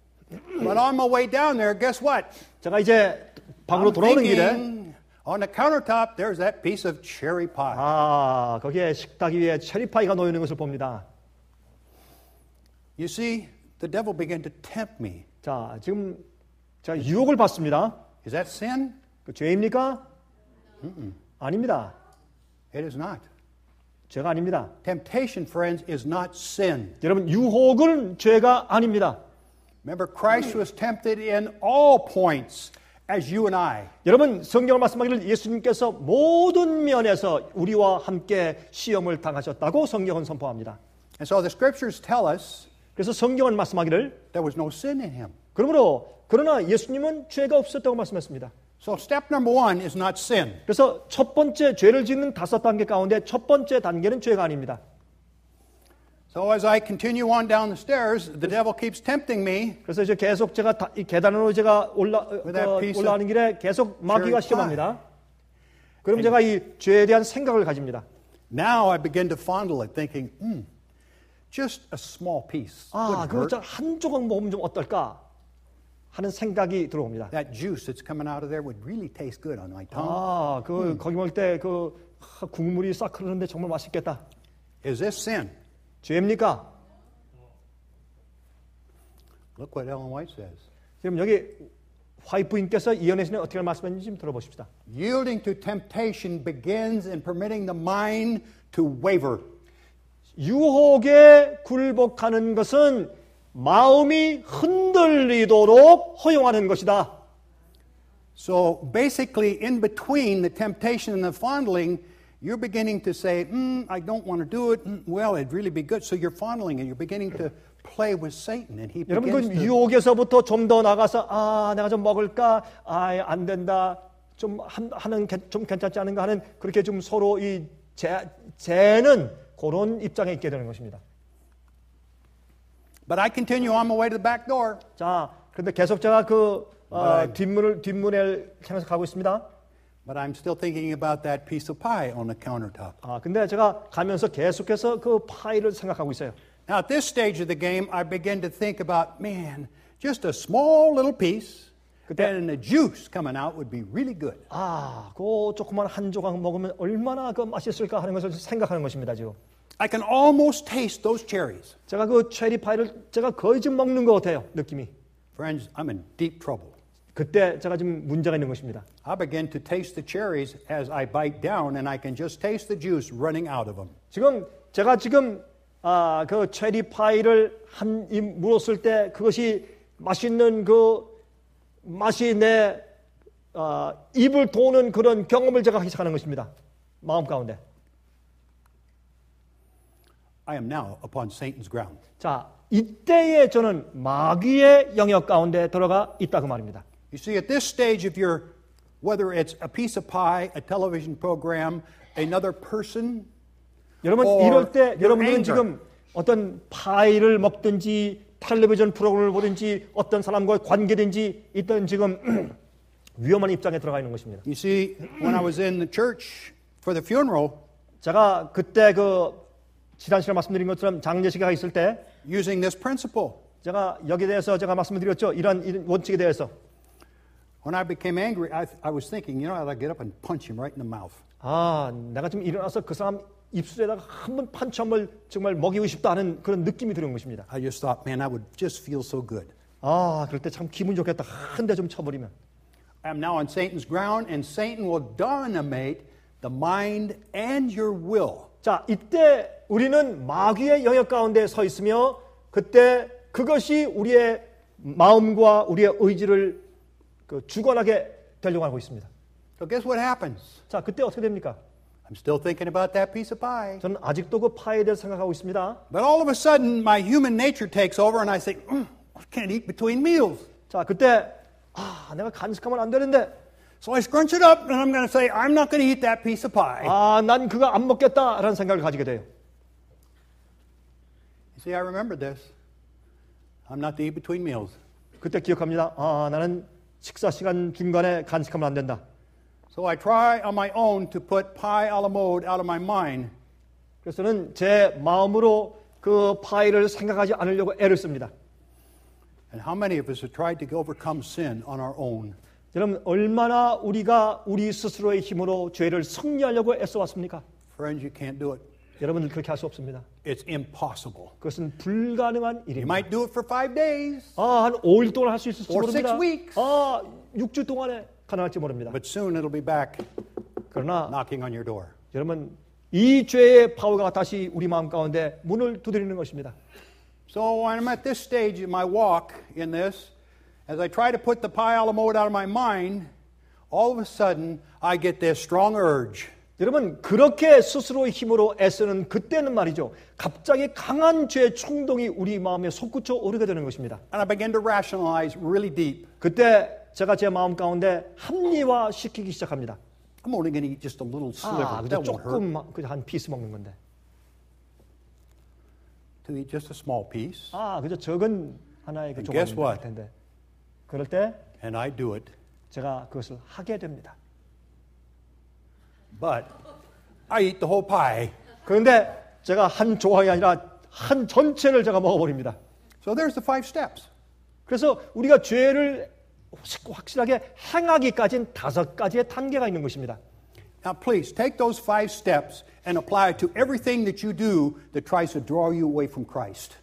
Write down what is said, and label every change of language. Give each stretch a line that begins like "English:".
English: But on my way down there, guess what?
Korean: 제가 이제 방으로
English: I'm
Korean: 돌아오는 길에
English: on the countertop there's that piece of cherry pie.
Korean: 아, 거기에 식탁 위에 체리 파이가 놓여 있는 것을 봅니다.
English: You see, the devil began to tempt me.
Korean: 자, 지금 제가 유혹을 받습니다.
English: Is that sin?
Korean: 그 죄입니까? Mm-mm. 아닙니다.
English: It is not.
Korean: 죄가 아닙니다.
English: Temptation, friends, is not sin.
Korean: 여러분, 유혹은 죄가 아닙니다.
English: Remember, Christ was tempted in all points, as you and I.
Korean: 여러분, 성경을 말씀하기를 예수님께서 모든 면에서 우리와 함께 시험을 당하셨다고 성경은 선포합니다.
English: And so the scriptures tell us
Korean: 그래서 성경은 말씀하기를
English: There was no sin in him.
Korean: 그러므로 그러나 예수님은 죄가 없었다고 말씀했습니다.
English: So step number one is not sin.
Korean: 그래서 첫 번째 죄를 짓는 다섯 단계 가운데 첫 번째 단계는 죄가 아닙니다.
English: So as I continue on down the stairs, the devil keeps tempting me.
Korean: 그래서 이제 계속 제가 이 계단으로 제가 올라가는 길에 계속 마귀가 시험합니다. 그럼 제가 이 죄에 대한 생각을 가집니다.
English: Now I begin to fondle it, thinking, just a small piece.
Korean: 아, 그렇죠. 한 조각 먹으면 좀 어떨까 하는 생각이 들어옵니다.
English: That juice that's coming out of there would really taste good on my tongue.
Korean: 아, 그 거기 먹을 때 그 국물이 싹 흐르는데 정말 맛있겠다.
English: Is this sin?
Korean: 죄입니까?
English: Look what Ellen White says.
Korean: 지금 여기 화이트 부인께서 이언혜 씨는 어떻게 말씀하는지 좀 들어보십시다.
English: Yielding to temptation begins in permitting the mind to waver.
Korean: 유혹에 굴복하는 것은 마음이 흔들리도록 허용하는 것이다.
English: So basically in between the temptation and the fondling, you're beginning to say, I don't want to do it. Well, it'd really be good. So you're fondling and you're beginning to play with Satan and he begins
Korean: 여러분, 그 유혹에서부터 좀 더 나가서 아, 내가 좀 먹을까? 아, 안 된다. 좀 하는 좀 괜찮지 않은가 하는 그렇게 좀 서로 이 재는 그런 입장에 있게 되는 것입니다.
English: But I continue on my way to the back door.
Korean: 자, 그런데 계속 제가 그 뒷문을 향해서 가고 있습니다.
English: But I'm still thinking about that piece of pie on the countertop.
Korean: 아, 근데 제가 가면서 계속해서 그 파이를 생각하고 있어요.
English: Now at this stage of the game, I begin to think about, man, just a small little piece,
Korean: 그때,
English: and the juice coming out would be really good.
Korean: 아, 그 조그만 한 조각 먹으면 얼마나 그 맛있을까 하는 것을 생각하는 것입니다, 지금.
English: I can almost taste those cherries.
Korean: 제가 그 체리 파이를 제가 거의 지금 먹는 것 같아요, 느낌이.
English: Friends, I'm in deep trouble.
Korean: 그때 제가 지금 문제가 있는 것입니다.
English: I begin to taste the cherries as I bite down, and I can just taste the juice running out of them.
Korean: 지금 제가 지금 아, 그 체리 파이를 한 입 물었을 때 그것이 맛있는 그 맛이 내 입을 도는 그런 경험을 제가 하기 시작하는 것입니다, 마음 가운데.
English: I am now upon Satan's ground.
Korean: 자, 이때에 저는 마귀의 영역 가운데 들어가 있다고 말입니다.
English: You see, at this stage of your, whether it's a piece of pie, a television program, another person,
Korean: 여러분 이럴 때 여러분들은
English: anger.
Korean: 지금 어떤 파이를 먹든지 텔레비전 프로그램을 보든지 어떤 사람과 관계든지 있던 지금 위험한 입장에 들어가 있는 것입니다.
English: You see, when I was in the church for the funeral,
Korean: 제가 그때 그 지난 시간에 말씀드린 것처럼 장례식에 가 있을 때
English: using this principle.
Korean: 제가 여기에 대해서 제가 말씀드렸죠. 이런 원칙에 대해서.
English: When I became angry, I was thinking, you know, I'd get up and punch him right in the mouth.
Korean: 아, 내가 지금 일어나서 그 사람 입술에다가 한번 판첨을 정말 먹이고 싶다는 그런 느낌이 들은 것입니다.
English: I just thought, man, I would just feel so good.
Korean: 아, 그럴 때 참 기분 좋겠다. 한 대 좀 쳐버리면.
English: I am now on Satan's ground and Satan will dominate the mind and your will.
Korean: 자, 이때 우리는 마귀의 영역 가운데 서 있으며 그때 그것이 우리의 마음과 우리의 의지를 그 주관하게 되려고 하고 있습니다.
English: So guess what happens?
Korean: 자, 그때 어떻게 됩니까?
English: I'm still thinking about that piece of pie.
Korean: 저는 아직도 그 파이에 대해서 생각하고 있습니다.
English: But all of a sudden my human nature takes over and I say, I can't eat between meals.
Korean: 자, 그때 아, 내가 간식하면 안 되는데.
English: So I scrunch it up and I'm going to say, I'm not going to eat that piece of pie.
Korean: 아, 난 그거 안 먹겠다라는 생각을 가지게 돼요.
English: See, I remember this. I'm not to eat between meals.
Korean: 그때 기억합니다. 아, 나는 식사 시간 중간에 간식하면 안 된다.
English: So I try on my own to put pie a la mode out of my mind.
Korean: 그래서는 제 마음으로 그 파이를 생각하지 않으려고 애를 씁니다.
English: And how many of us have tried to overcome sin on our own?
Korean: 여러분, 얼마나 우리가 우리 스스로의 힘으로 죄를 승리하려고 애써왔습니까?
English: Friends, you can't do it.
Korean: 여러분들 그렇게 할 수 없습니다.
English: It's impossible.
Korean: 그것은 불가능한 일입니다.
English: You might do it for 5 days.
Korean: 아, 한 5일 동안 할 수 있을지 모릅니다.
English: Or 6 weeks.
Korean: 아, 6주 동안에 가능할지 모릅니다.
English: But soon it'll be back.
Korean: 그러나
English: knocking on your door.
Korean: 여러분, 이 죄의 파워가 다시 우리 마음 가운데 문을 두드리는 것입니다.
English: So when I'm at this stage in my walk in this, as I try to put the pie a la mode out of my mind, all of a sudden I get this strong urge.
Korean: 여러분 그렇게 스스로 힘으로 애쓰는 그때는 말이죠. 갑자기 강한 죄의 충동이 우리 마음에 솟구쳐 오르게 되는 것입니다.
English: And I began to rationalize really deep.
Korean: 그때 제가 제 마음 가운데 합리화 시키기 시작합니다.
English: I'm only going to eat just a little sliver.
Korean: 아, 그냥 조금 그냥 한 피스 먹는 건데.
English: To eat just a small piece.
Korean: 아, 그저 적은 하나의 그 조각 먹는 것 같은데. 그럴 때
English: And I do it.
Korean: 제가 그것을 하게 됩니다.
English: But I eat the whole pie.
Korean: 그런데 제가 한 조각이 아니라 한 전체를 제가 먹어버립니다.
English: So there's the five steps.
Korean: 그래서 우리가 죄를 확실하게 행하기까지는 다섯 가지의 단계가 있는 것입니다.
English: Now please take those five steps and apply it to everything that you do that tries to draw you away from Christ.